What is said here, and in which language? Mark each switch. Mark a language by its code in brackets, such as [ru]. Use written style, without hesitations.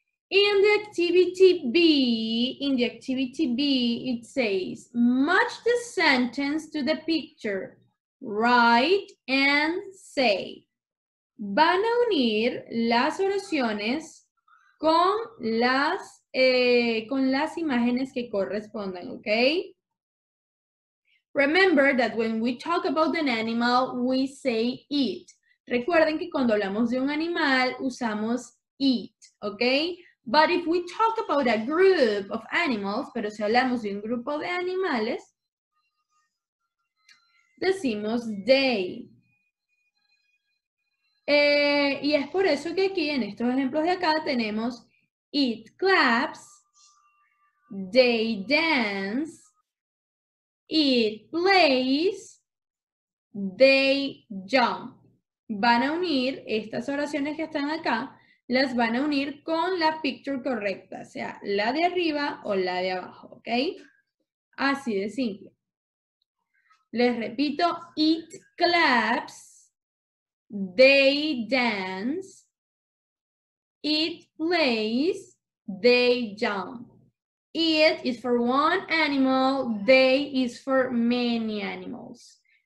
[en] In the activity B, it says, match the sentence to the picture. Write and say. [es] Van a unir las oraciones con las imágenes que correspondan, okay? [en] Remember that when we talk about an animal, we say it. [es] Recuerden que cuando hablamos de un animal, usamos it, okay? [en] But if we talk about a group of animals, [es] pero si hablamos de un grupo de animales, decimos [en] they. [es] Y es por eso que aquí, en estos ejemplos de acá, tenemos [en] it claps, they dance, it plays, they jump. [es] Van a unir estas oraciones que están acá, las van a unir con la picture correcta, sea la de arriba o la de abajo, ¿ok? Así de simple. Les repito, [en] it claps, they dance, it plays, they jump. It is for one animal, they is for many animals.